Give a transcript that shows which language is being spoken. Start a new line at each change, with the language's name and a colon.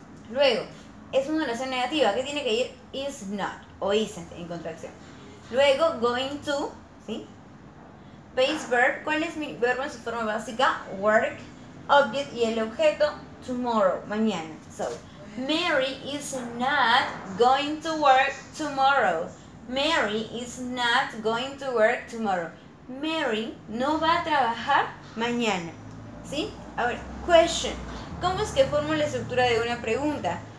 Spanish: Luego, es una oración negativa, que tiene que ir
English: is not,
Spanish: o isn't, en contracción. Luego,
English: going to,
Spanish: ¿sí?
English: Base verb,
Spanish: ¿cuál es mi verbo en su forma básica? Work, object, y el objeto, tomorrow, mañana.
English: So, Mary is not going to work tomorrow. Mary is not going to work tomorrow.
Spanish: Mary no va a trabajar mañana. ¿Sí? Ahora, question. ¿Cómo es que formo la estructura de una pregunta?